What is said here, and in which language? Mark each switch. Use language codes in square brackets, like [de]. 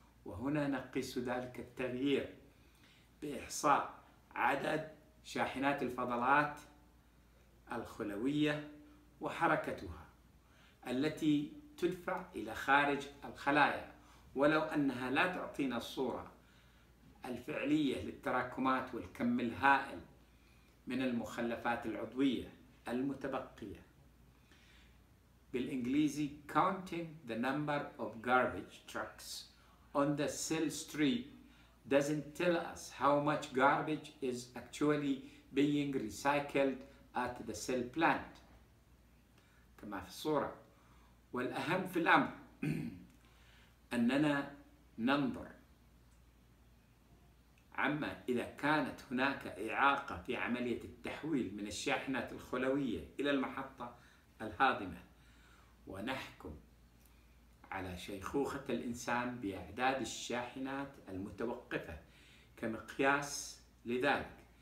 [ar] وهنا نقيس ذلك التغيير بإحصاء عدد شاحنات الفضلات الخلوية وحركتها التي تدفع إلى خارج الخلايا، ولو أنها لا تعطينا الصورة الفعلية للتراكمات والكم الهائل من المخلفات العضوية المتبقية. بالإنجليزي [en] counting the number of garbage trucks on the cell street doesn't tell us how much garbage is actually being recycled at the cell plant [ar] كما في الصورة. والأهم في الأمر أننا ننظر عما إذا كانت هناك إعاقة في عملية التحويل من الشاحنات الخلوية إلى المحطة الهاضمة، ونحكم على شيخوخة الإنسان بأعداد الشاحنات المتوقفة كمقياس لذلك.